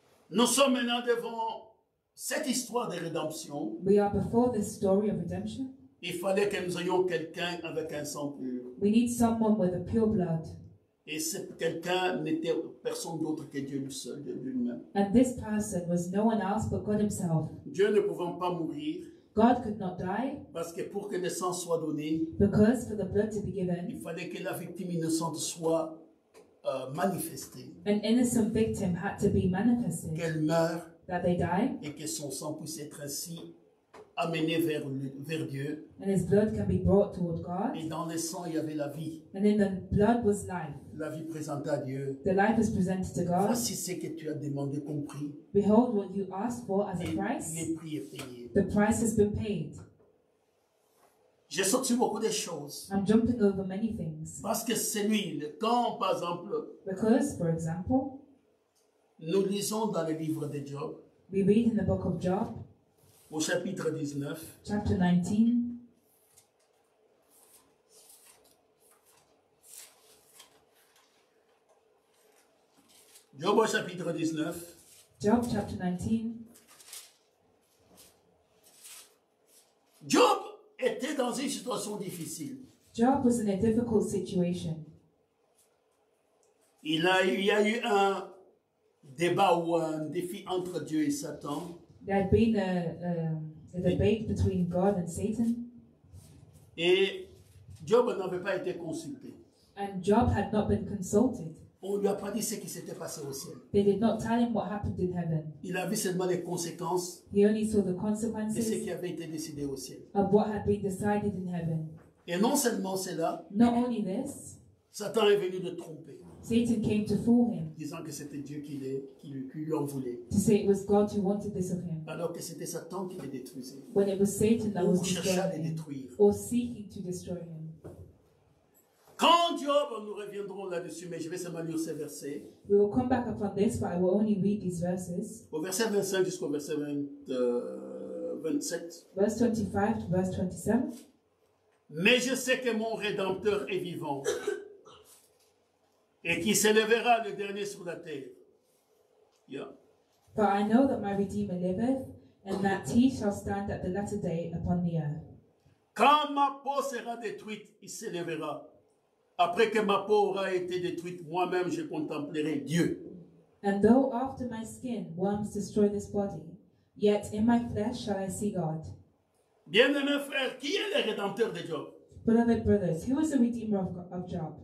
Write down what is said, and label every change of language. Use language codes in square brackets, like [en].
[fr] Nous sommes maintenant devant cette histoire de rédemption. [en] We are before this story of redemption. [fr] Il fallait que nous ayons quelqu'un avec un sang pur. [en] We need someone with a pure blood. [fr] Et ce quelqu'un n'était personne d'autre que Dieu seul, lui-même. [en] And this person was no one else but God himself. [fr] Dieu ne pouvant pas mourir. [en] God could not die. [fr] Parce que pour que le sang soit donné. [en] Because for the blood to be given. [fr] Il fallait que la victime innocente soit manifestée. [en] An innocent victim had to be manifested. [fr] Qu'elle meure. [en] That they die. [fr] Et que son sang puisse être ainsi amené vers Dieu. [en] And his blood can be brought toward God. [fr] Et dans le sang, il y avait la vie. [en] And in the blood was life. [fr] La vie présente à Dieu. [en] The life is presented to God. [fr] Voici ce que tu as demandé comme prix. [en] Behold what you asked for as a price. [fr] Le prix est payé. [en] The price has been paid. [fr] J'ai sorti beaucoup de choses. [en] I'm jumping over many things. [fr] Parce que c'est lui, le temps, par exemple. [en] Because, for example, [fr] nous lisons dans le livre de Job. [en] We read in the book of Job. [fr] Au chapitre 19. [en] Chapter 19. [fr] Job au chapitre 19. [en] Job chapter 19. [fr] Job était dans une situation difficile. [en] Job was in a difficult situation. [fr] Il y a eu un débat ou un défi entre Dieu et Satan. [en] There had been a debate between God and Satan. [fr] Et Job n'avait pas été consulté. [en] And Job had not been consulted. [fr] On lui a pas dit ce qui s'était passé au ciel. [en] They did not tell him what happened in heaven. [fr] Il a vu seulement les conséquences. [en] He only saw the consequences. [fr] Et ce qui avait été décidé au ciel. [en] Of what had been decided in heaven. [fr] Et non seulement cela. [en] Not only this. [fr] Satan est venu le tromper. [en] Satan came to fool him. [fr] Disant que c'était Dieu qui lui en voulait. [en] To say it was God who wanted this of him. [fr] Alors que c'était Satan qui le détruisait. [en] When it was Satan that [fr] ou [en] was [fr] cherchait [en] destroying [fr] à le détruire. [en] Him, or seeking to destroy him. [fr] Quand Job, nous reviendrons là-dessus, mais je vais seulement lire ces versets. [en] We will come back upon this, but I will only read these verses. [fr] Au verset 25 jusqu'au verset 27. [en] Verse 25 to verse 27. [fr] Mais je sais que mon Rédempteur est vivant et qu'il s'élèvera le dernier sur la terre. [en] Yeah. But I know that my Redeemer liveth and that he shall stand at the latter day upon the earth. [fr] Quand ma peau sera détruite, il s'élèvera. Après que ma peau aura été détruite, moi-même je contemplerai Dieu. [en] And though after my skin worms destroy this body, yet in my flesh shall I see God. [fr] Bien-aimé frère, qui est le rédempteur de Job? [en] Beloved brothers, who is the redeemer of Job?